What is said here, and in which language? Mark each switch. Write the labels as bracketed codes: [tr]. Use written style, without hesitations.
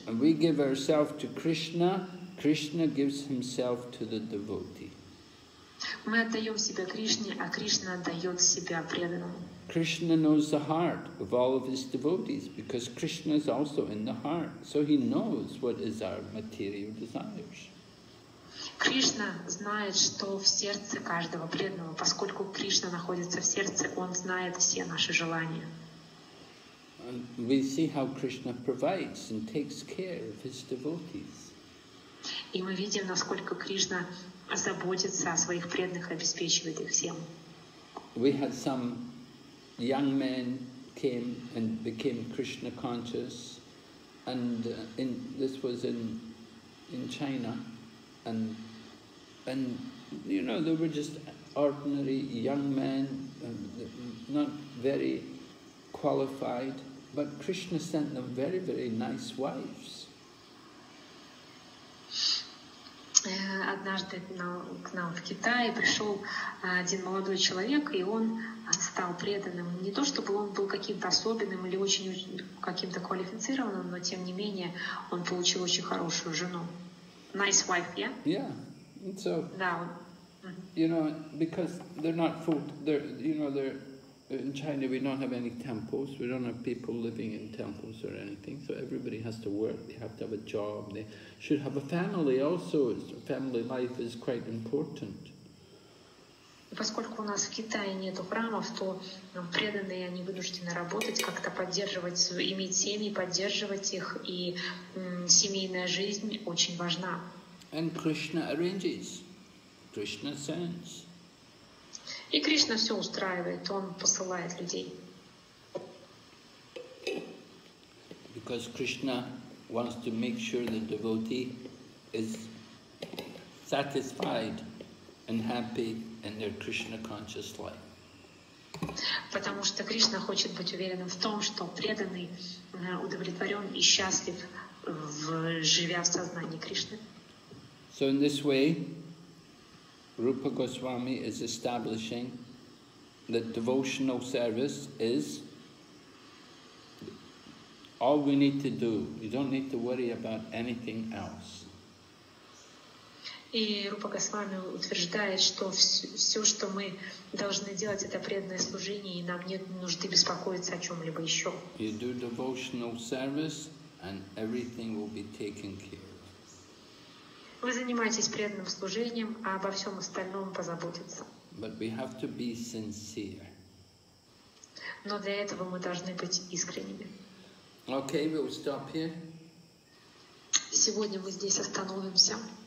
[en] And we give ourselves to Krishna, Krishna gives himself to the devotee. [ru] Мы отдаем себя Кришне, а Кришна отдает себя преданному. [en] Krishna knows the heart of all of his devotees because Krishna is also in the heart, so he knows what is our material desires. [ru] Krishna знает, что в сердце каждого преданного, поскольку Кришна находится в сердце, он знает все наши желания. [en] And we see how Krishna provides and takes care of his devotees. [ru] И мы видим, насколько Кришна заботится о своих преданных и обеспечивает их всем. [en] We had some young men came and became Krishna conscious, and this was in China, and you know, they were just ordinary young men, not very qualified, but Krishna sent them very, very nice wives. [ru] Однажды к нам в Китае пришел один молодой человек, и он стал преданным. Не то чтобы он был каким-то особенным или очень каким-то квалифицированным, но тем не менее он получил очень хорошую жену. [en] Nice wife, yeah? Yeah. And so, [ru] да. [en] You know, because they're not full, they're in China, we don't have any temples, we don't have people living in temples or anything, so everybody has to work, they have to have a job, they should have a family also, family life is quite important. [ru] Поскольку у нас в Китае нету храмов, то преданные, они вынуждены работать, как-то поддерживать, иметь семьи, поддерживать их, и семейная жизнь очень важна. [en] And Krishna arranges, Krishna sends. [ru] И Кришна все устраивает, он посылает людей. [en] Because Krishna wants to make sure the devotee is satisfied and happy in their Krishna conscious life. [ru] Потому что Кришна хочет быть уверенным в том, что преданный удовлетворен и счастлив, живя в сознании Кришны. [en] So in this way, Rupa Goswami is establishing that devotional service is all we need to do. You don't need to worry about anything else. [ru] И Рупа Госвами утверждает, что все, что мы должны делать, это преданное служение, и нам нет нужды беспокоиться о чем-либо еще. [en] You do devotional service, and everything will be taken care of. [ru] Вы занимаетесь преданным служением, а обо всем остальном позаботится. [en] But we have to be sincere. [ru] Но для этого мы должны быть искренними. [en] Okay, we'll stop here. [ru] Сегодня мы здесь остановимся.